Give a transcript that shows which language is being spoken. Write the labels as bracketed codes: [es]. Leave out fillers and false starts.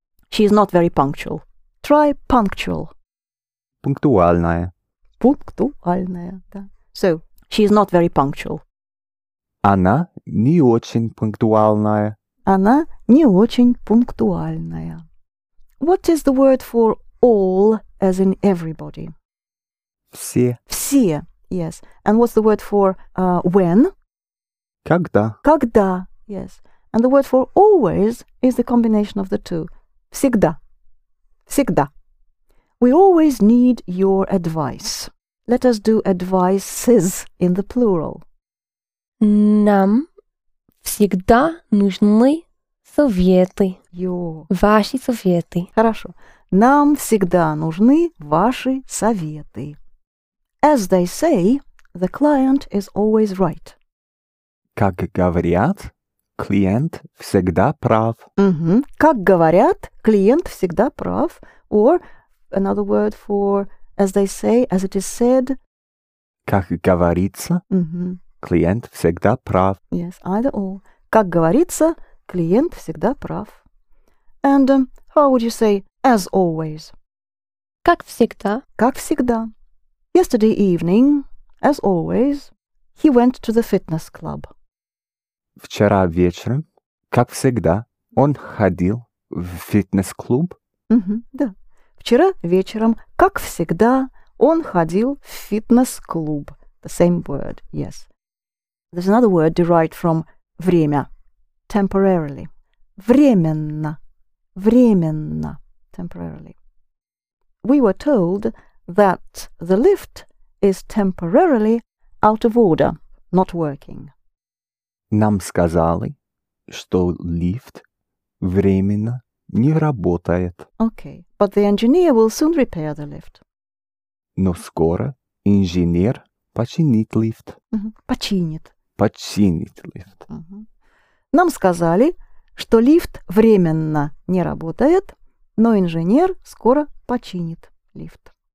[en] She is not very punctual. Try punctual. [ru] Пунктуальная. [en] Пунктуальная, да. So, she is not very punctual. [ru] Она не очень пунктуальная. Она не очень пунктуальная. [en] What is the word for all, as in everybody? [ru] Все. [en] Все, yes. And what's the word for when? [ru] Когда. Когда, yes. [en] And the word for always is the combination of the two. Всегда. Всегда. We always need your advice. Let us do advices in the plural. [ru] Нам всегда нужны советы. [en] Your. [ru] Ваши советы. Хорошо. Нам всегда нужны ваши советы. [en] As they say, the client is always right. [ru] Как говорят, клиент всегда прав. Mm-hmm. Как говорят, клиент всегда прав. [en] Or another word for as they say, as it is said. [ru] Как говорится, mm-hmm. клиент всегда прав. [en] Yes, either or. [ru] Как говорится, клиент всегда прав. [en] And how would you say as always? [ru] Как всегда. Как всегда. [en] Yesterday evening, as always, he went to the fitness club. [ru] Вчера вечером, как всегда, он ходил в фитнес-клуб. Mm-hmm, да. Вчера вечером, как всегда, он ходил в фитнес-клуб. [en] The same word, yes. There's another word derived from время. Temporarily. [ru] Временно. Временно. Temporarily. [en] We were told that the lift is temporarily out of order, not working. [ru] Нам сказали, что лифт временно не работает. [en] Okay, but the engineer will soon repair the lift. [ru] Но скоро инженер починит лифт. Mm-hmm. Починит. Починит лифт. Mm-hmm. Нам сказали, что лифт временно не работает, но инженер скоро починит лифт.